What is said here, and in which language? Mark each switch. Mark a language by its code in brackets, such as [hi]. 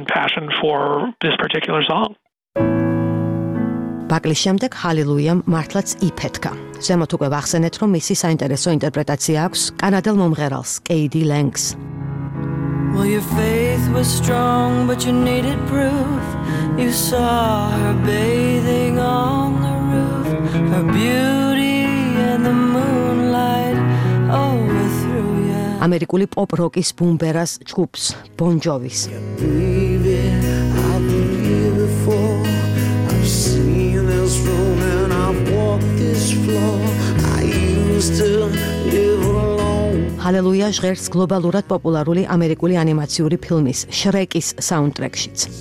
[en] passion for this particular song. [ka] ბაკლის შემდეგ ჰალელუიამ მართლაც იფეთქა. ზემოთ უკვე ვახსენეთ, რომ მისი საინტერესო ინტერპრეტაცია აქვს კანადელ მომღერალს კეიდი ლენგს. [en] Well, your faith was strong, but you needed proof. You saw her bathing on the roof. Her beauty and the moonlight overthrew you. [ka] ამერიკული პოპ როკის ბუმბერას ჯგუფს Bon Jovi's. Halleluja ჟღერს გლობალურად პოპულარული ამერიკული ანიმაციური ფილმის შრეკის საუნდტრეკშიც.